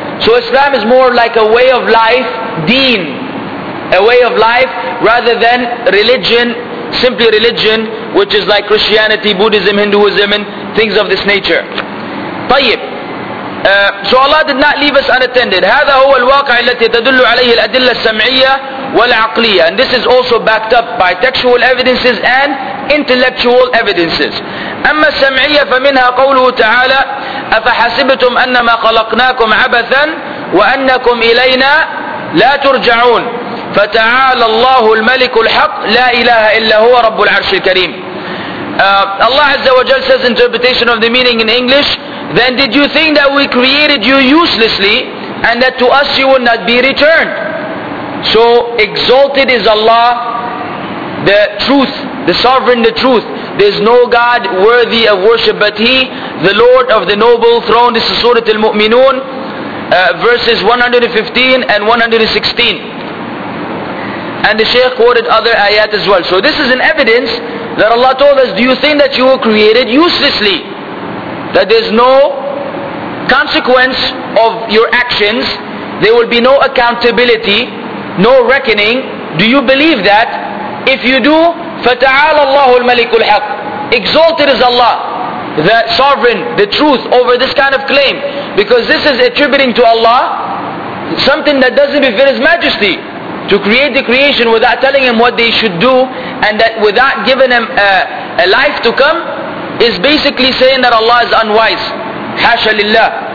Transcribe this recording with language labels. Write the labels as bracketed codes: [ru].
[en] So Islam is more like a way of life, deen, a way of life, rather than religion, simply religion, which is like Christianity, Buddhism, Hinduism, and things of this nature. طيب. So Allah did not leave us unattended. [ar] هذا هو الواقع التي تدل عليه الأدلة السمعية والعقلية. [en] And this is also backed up by textual evidences and intellectual evidences. [ar] أما السمعية فمنها قوله تعالى أفحسبتم أنما خلقناكم عبثا وأنكم إلينا لا ترجعون فتعالى الله الملك الحق لا إله إلا هو رب العرش الكريم. [en] Allah Azza wa Jal says, interpretation of the meaning in English, then did you think that we created you uselessly and that to us you will not be returned? So exalted is Allah, the truth, the sovereign, the truth. There is no God worthy of worship but He, the Lord of the noble throne. This is Surah Al-Mu'minun, verses 115 and 116. And the Shaykh quoted other ayat as well. So this is an evidence that Allah told us, do you think that you were created uselessly? That there's no consequence of your actions, there will be no accountability, no reckoning. Do you believe that? If you do, [ar] فَتَعَالَ اللَّهُ الْمَلِكُ الْحَقِّ. [en] Exalted is Allah, the sovereign, the truth, over this kind of claim. Because this is attributing to Allah something that doesn't befit His majesty. To create the creation without telling him what they should do, and that without giving him a life to come, is basically saying that Allah is unwise. Hasha lillah.